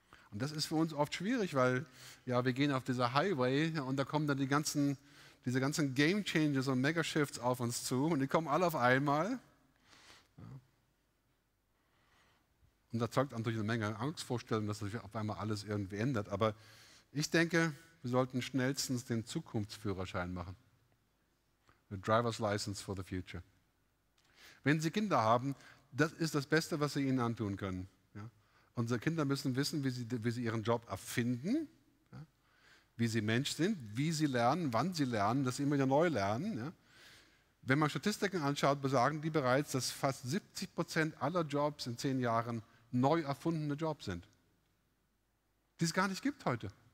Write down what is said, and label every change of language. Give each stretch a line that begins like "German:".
German: Und das ist für uns oft schwierig, weil ja, wir gehen auf dieser Highway und da kommen dann diese ganzen Game Changers und Megashifts auf uns zu und die kommen alle auf einmal. Ja. Und da zeugt natürlich eine Menge Angstvorstellungen, dass sich auf einmal alles irgendwie ändert. Aber ich denke, wir sollten schnellstens den Zukunftsführerschein machen.
English: The Driver's License for the Future.
German: Wenn Sie Kinder haben, das ist das Beste, was Sie ihnen antun können. Ja? Unsere Kinder müssen wissen, wie sie ihren Job erfinden, ja? Wie sie Mensch sind, wie sie lernen, wann sie lernen, dass sie immer wieder neu lernen. Ja? Wenn man Statistiken anschaut, besagen die bereits, dass fast 70% aller Jobs in 10 Jahren neu erfundene Jobs sind. Die es gar nicht gibt heute.